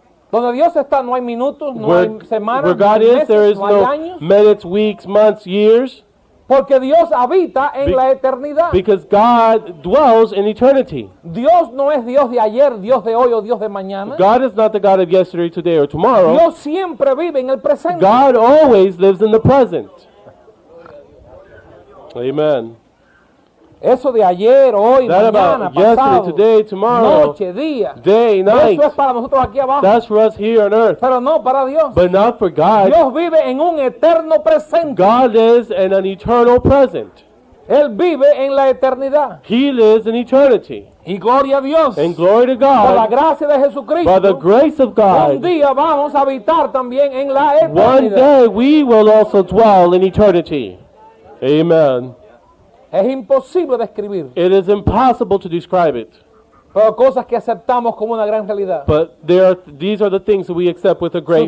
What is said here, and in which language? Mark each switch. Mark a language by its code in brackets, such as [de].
[es] Donde Dios está, no hay minutos, no [en] where, [es] hay semanas, [en] where God [es] meses, [en] is, there is no [es] años. [en] Minutes, weeks, months, years. [es] Porque Dios habita en la eternidad. [en] Because God dwells in eternity. [es] Dios no es Dios de ayer, Dios de hoy o Dios de mañana. [en] God is not the God of yesterday, today or tomorrow. [es] Dios siempre vive en el presente. [en] God always lives in the present. Amen. [es] Eso de ayer, hoy, [en] that [es] mañana, [en] about yesterday, [es] pasado, [en] today, tomorrow, [es] noche, día, [en] day, night. [es] Eso es para nosotros aquí abajo. [en] That's for us here on earth. [es] Pero no para Dios. [en] But not for God. [es] Dios vive en un eterno presente. [en] God lives in an eternal present. [es] Él vive en la eternidad. [en] He lives in eternity. [es] Y gloria a Dios. [en] And glory to God. [es] Por la gracia de Jesucristo. [en] By the grace of God. [es] Un día vamos a habitar también en la eternidad. [en] One day we will also dwell in eternity. Amen. [es] Es imposible describir. [en] It is impossible to describe it. [es] Pero cosas que aceptamos como una gran realidad. [en] But there are, these are the things that we accept with a great